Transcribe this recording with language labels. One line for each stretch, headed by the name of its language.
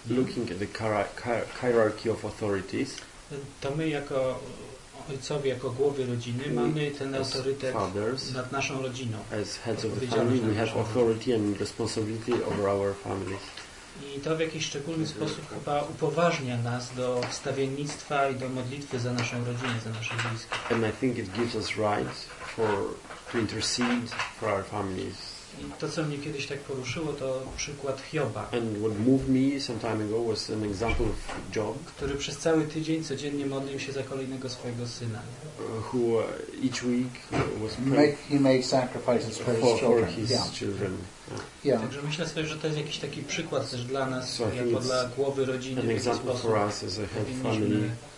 English: looking at the hierarchy of authorities,
Polish: to my jako ojcowie, jako głowy rodziny, mamy ten autorytet
English: fathers,
Polish: nad naszą rodziną.
English: As heads of the family, we have authority and responsibility over our families.
Polish: I to w jakiś szczególny sposób chyba upoważnia nas do wstawiennictwa i do modlitwy za naszą rodzinę, za nasze bliskie.
English: And I think it gives us right to intercede for our families.
Polish: I to, co mnie kiedyś tak poruszyło, to przykład Hioba.
English: And what moved me some time ago was an example of Job,
Polish: który przez cały tydzień codziennie modlił się za kolejnego swojego syna.
English: Who each week was he made sacrifices for his children. Yeah.
Polish: Także myślę sobie, że to jest jakiś taki przykład też dla nas, jako dla głowy rodziny, w jaki sposób
English: for us as a head family,